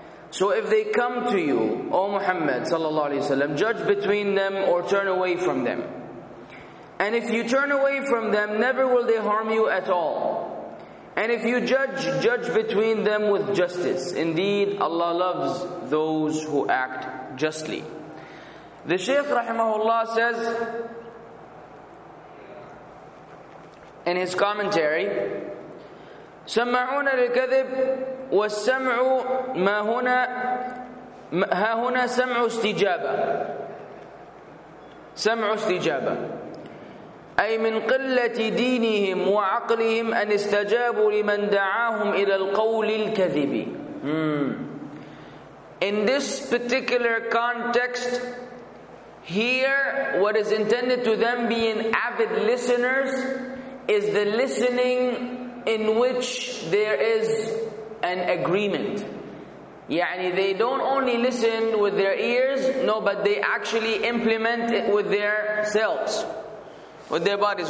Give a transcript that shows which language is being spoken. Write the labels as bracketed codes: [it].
[en] So if they come to you, O Muhammad sallallahu alayhi wa sallam, judge between them or turn away from them. And if you turn away from them, never will they harm you at all. And if you judge, judge between them with justice. Indeed, Allah loves those who act justly. The Shaykh rahimahullah says in his commentary, [ar] سَمَّعُونَ لِلْكَذِبِ وَالسَّمْعُ مَا هُنَا هَا هُنَا سَمْعُ اسْتِجَابَةٌ سَمْعُ اسْتِجَابَةٌ أي من قلة دينهم وعقلهم أن استجابوا لمن دعاهم إلى القول الكذب. [en] In this particular context, here, what is intended to them being avid listeners is the listening in which there is an agreement. Yani they don't only listen with their ears, no, but they actually implement it with their selves, with their bodies.